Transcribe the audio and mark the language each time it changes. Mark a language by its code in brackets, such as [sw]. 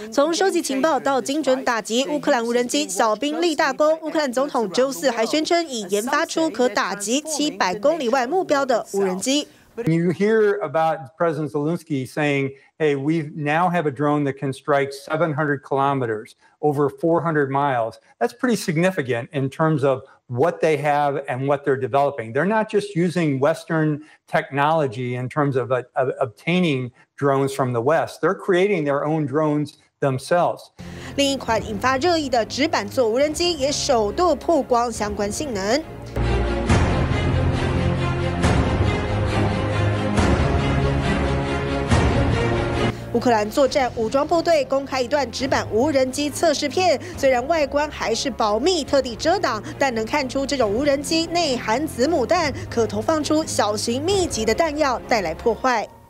[zh] 从收集情报到精准打击乌克兰无人机，小兵立大功。乌克兰总统周四还宣称已研发出可打击700公里外目标的无人机。 [en] You hear about President Zelensky saying, hey, we now have a drone that can strike 700 kilometers, over 400 miles. That's pretty significant in terms of what they have and what they're developing. They're not just using Western technology in terms of obtaining drones from the West. They're creating their own drones themselves. [zh] 另一款引发热议的纸板座无人机也首度曝光相关性能。乌克兰作战武装部队公开一段纸板无人机测试片，虽然外观还是保密特地遮挡，但能看出这种无人机内含子母弹，可投放出小型密集的弹药带来破坏。